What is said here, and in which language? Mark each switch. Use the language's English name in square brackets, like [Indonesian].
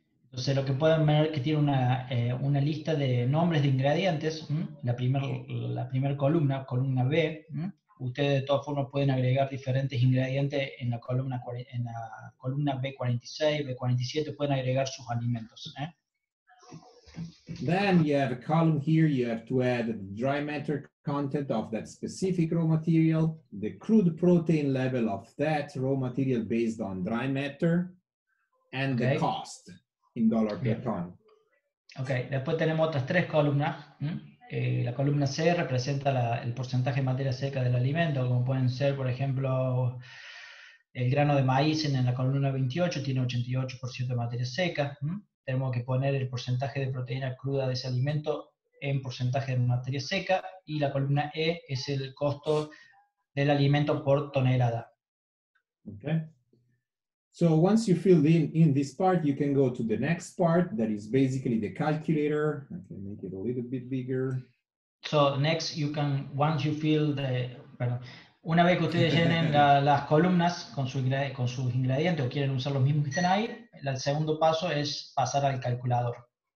[Spanish] Entonces lo que pueden ver es que tiene una lista de nombres de ingredientes, la primer columna B. Ustedes de todas formas pueden agregar diferentes ingredientes en la columna B46, B47, pueden agregar sus alimentos. [English] Then you have a column here, you have to add the dry matter content of that specific raw material, the crude protein level of that raw material based on dry matter, and the cost in dollar per ton. [Spanish] Okay, después tenemos otras tres columnas. La columna C representa el porcentaje de materia seca del alimento, como pueden ser, por ejemplo, el grano de maíz en la columna 28 tiene 88% de materia seca. Tenemos que poner el porcentaje de proteína cruda de ese alimento en porcentaje de materia seca, y la columna E es el costo del alimento por tonelada. [English] Okay. So once you filled in this part, you can go to the next part, that is basically the calculator. I can make it a little bit bigger. So next, you can, once you fill the, [Spanish] perdón, una vez que ustedes llenen las columnas con sus ingredientes o quieren usar los mismos que están ahí, el segundo paso es pasar al calculador.